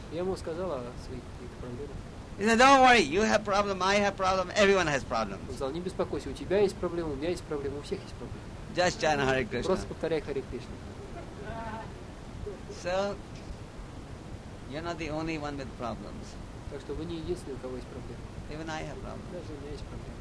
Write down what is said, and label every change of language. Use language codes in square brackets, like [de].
[ru] Я ему сказал о своих каких-то проблемах. [en] He said, "Don't worry, you have problem, I have problem, everyone has problems." [ru] Он сказал, не беспокойся, у тебя есть проблемы, у меня есть проблемы, у всех есть проблемы. [en] Just chant Hare Krishna. [ru] Просто повторяй Hare Krishna. [en] So you're not the only one with problems. [ru] Так что вы не единственный, у кого есть проблемы. [en] Even I have problems. [ru] Даже у меня есть проблемы.